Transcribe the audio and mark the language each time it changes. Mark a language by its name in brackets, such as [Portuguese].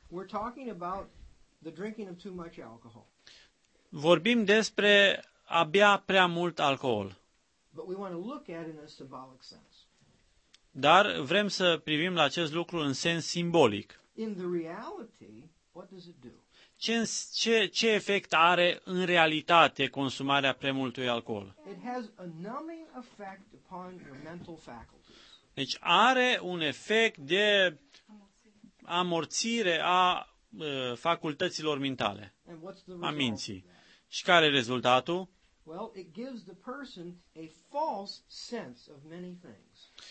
[English] We're talking about the drinking of too much alcohol. [Romanian] Vorbim despre a bea prea mult alcool. [English] But we want to look at it in a symbolic sense. [Romanian] Dar vrem să privim la acest lucru în sens simbolic. [English] In the reality, what does it do? [Romanian] Ce efect are în realitate consumarea prea multui alcool? [English] It has a numbing effect upon your mental faculties. [Romanian] Deci are un efect de amorțire a facultăților mentale, a minții. Și care e rezultatul? [English] Well, it gives the person a false sense of many things.